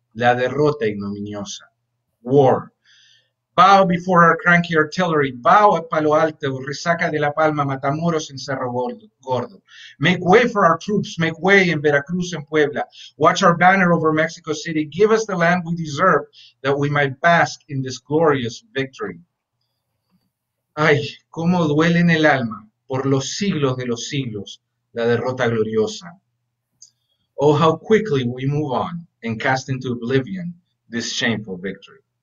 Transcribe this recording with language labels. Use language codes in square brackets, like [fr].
[es] La derrota ignominiosa. [en] War. Bow before our cranky artillery. Bow at Palo Alto, Resaca de la Palma, Matamoros en Cerro Gordo. Make way for our troops. Make way in Veracruz and Puebla. Watch our banner over Mexico City. Give us the land we deserve, that we might bask in this glorious victory. [es] Ay, cómo duele en el alma, por los siglos de los siglos, la derrota gloriosa. [en] Oh, how quickly we move on and cast into oblivion this shameful victory.